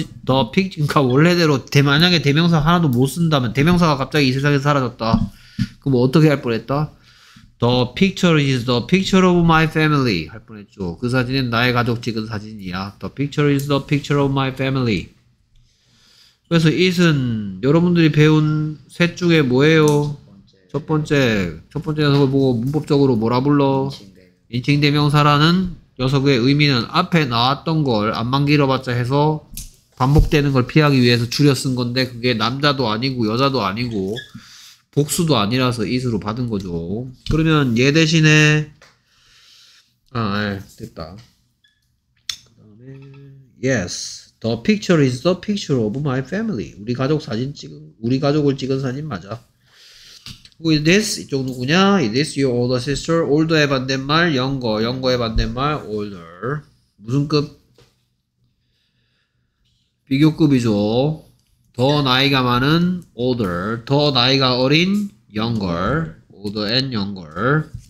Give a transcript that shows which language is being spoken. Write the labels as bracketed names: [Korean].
[Korean] 그러니까 원래대로 만약에 대명사 하나도 못 쓴다면 대명사가 갑자기 이 세상에서 사라졌다. 그럼 어떻게 할 뻔했다? [English] The picture is the picture of my family. [Korean] 할 뻔했죠. 그 사진은 나의 가족 찍은 사진이야. [English] The picture is the picture of my family. [Korean] 그래서 it은 여러분들이 배운 셋 중에 뭐예요? 첫 번째 녀석을 보고 문법적으로 뭐라 불러? 인칭 대명사라는 녀석의 의미는 앞에 나왔던 걸 안만 길어봤자 해서 반복되는 걸 피하기 위해서 줄여 쓴 건데 그게 남자도 아니고 여자도 아니고 복수도 아니라서 it으로 받은 거죠. 그러면 얘 대신에 됐다. 그 다음에 [English] yes, the picture is the picture of my family. [Korean] 우리 가족 사진 찍은 우리 가족을 찍은 사진 맞아. [English] Who is this? [Korean] 이쪽 누구냐? [English] Is this your older sister? Older [Korean] 의 반대말 [English] younger. [Korean] Younger의 반대말 older. 무슨 급? 비교급이죠. 더 나이가 많은 older, 더 나이가 어린 younger, older and younger.